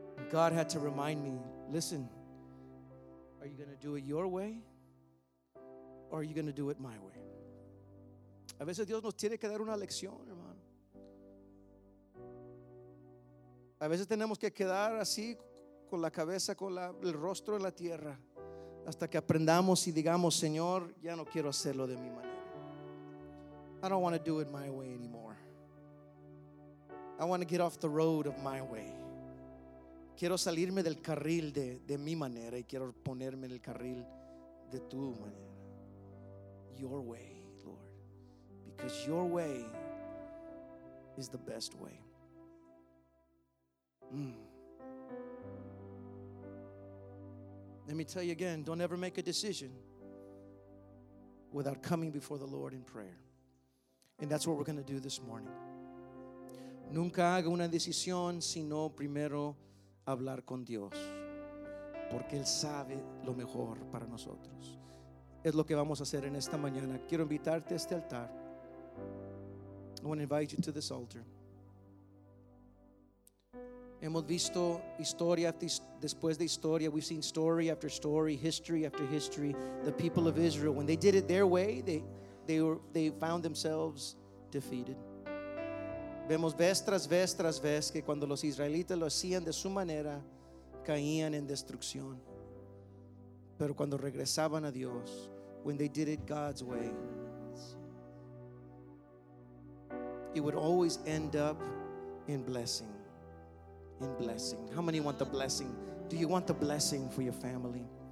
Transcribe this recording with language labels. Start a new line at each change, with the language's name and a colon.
English: God had to remind me, listen, are you going to do it your way or are you going to do it my way?
Spanish: A veces Dios nos tiene que dar una lección, hermano. A veces tenemos que quedar así con la cabeza, con el rostro en la tierra, hasta que aprendamos y digamos, Señor, ya no quiero hacerlo de mi manera.
English: I don't want to do it my way anymore. I want to get off the road of my way.
Spanish: Quiero salirme del carril de mi manera y quiero ponerme en el carril de tu manera.
English: Your way, Lord. Because your way is the best way. Let me tell you again, don't ever make a decision without coming before the Lord in prayer. And that's what we're going to do this morning.
Spanish: Nunca haga una decisión sino primero hablar con Dios, porque Él sabe lo mejor para nosotros. Es lo que vamos a hacer en esta mañana. Quiero invitarte a este altar.
English: I want to invite you to this altar.
Spanish: Hemos visto historia después de historia.
English: We've seen story after story, history after history. The people of Israel, when they did it their way, they found themselves defeated.
Spanish: Vemos vez tras vez tras vez que cuando los israelitas lo hacían de su manera, caían en destrucción. Pero cuando regresaban a Dios,
English: when they did it God's way, it would always end up in blessing. In blessing. How many want the blessing? Do you want the blessing for your family?